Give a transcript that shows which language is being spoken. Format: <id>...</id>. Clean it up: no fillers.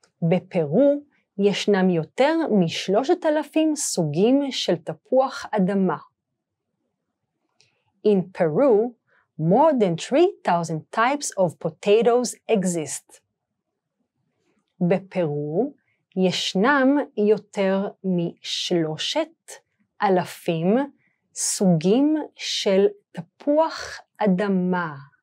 <he>בפרו ישנם יותר מ-3,000 סוגים של תפוח אדמה.</he> <en>In Peru, more than 3,000 types of potatoes exist.</en> <he>בפרו ישנם יותר מ-3,000 סוגים של תפוח אדמה.</he>